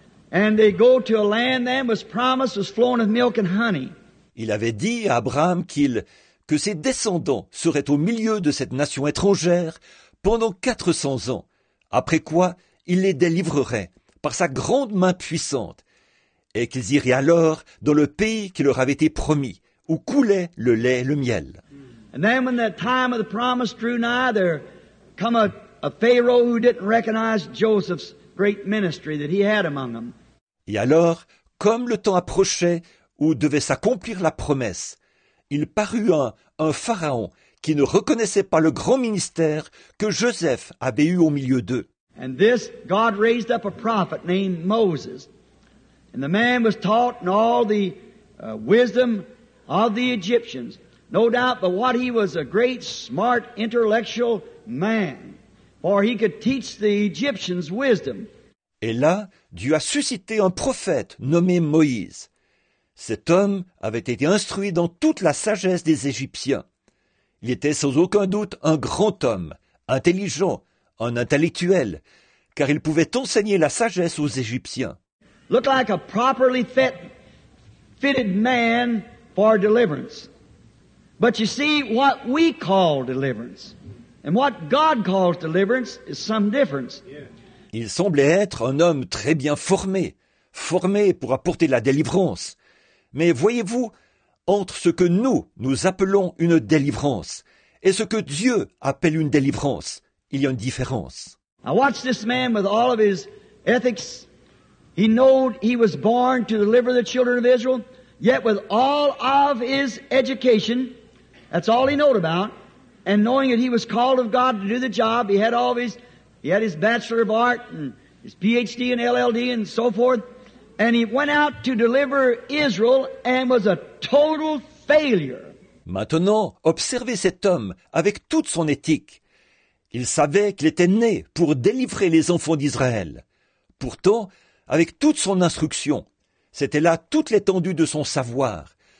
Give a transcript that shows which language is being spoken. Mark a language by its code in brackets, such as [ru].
[en] And they go to a land that was promised, was flowing with milk and honey. [fr] Il avait dit à Abraham que ses descendants seraient au milieu de cette nation étrangère pendant 400 ans, après quoi il les délivrerait par sa grande main puissante. et qu'ils iraient alors dans le pays qui leur avait été promis, où coulait le lait et le miel. [en] And then when the time of the promise drew nigh, there come a Pharaoh who didn't recognize Joseph's great ministry that he had among them. [fr] Et alors, comme le temps approchait où devait s'accomplir la promesse, il parut un pharaon qui ne reconnaissait pas le grand ministère que Joseph avait eu au milieu d'eux. [en] And this God raised up a prophet named Moses. And the man was taught in all the wisdom of the Egyptians. No doubt, but what he was a great, smart, intellectual man, for he could teach the Egyptians wisdom. [fr] Et là, Dieu a suscité un prophète nommé Moïse. Cet homme avait été instruit dans toute la sagesse des Égyptiens. Il était sans aucun doute un grand homme, intelligent, un intellectuel, car il pouvait enseigner la sagesse aux Égyptiens. [en] Look like a properly fitted man for deliverance. But you see, what we call deliverance and what God calls deliverance is some difference. [fr] Il semblait être un homme très bien formé pour apporter la délivrance. Mais voyez-vous, entre ce que nous appelons une délivrance et ce que Dieu appelle une délivrance, il y a une différence. [en] I watched this man with all of his ethics. He knew he was born to deliver the children of Israel, yet with all of his education, that's all he knew about, and knowing that he was called of God to do the job, he had his Bachelor of Art and his PhD and LLD and so forth, and he went out to deliver Israel and was a total failure. [fr] Maintenant, observez cet homme avec toute son éthique. Il savait qu'il était né pour délivrer les enfants d'Israël. Pourtant, avec toute son instruction, c'était là toute l'étendue de son savoir.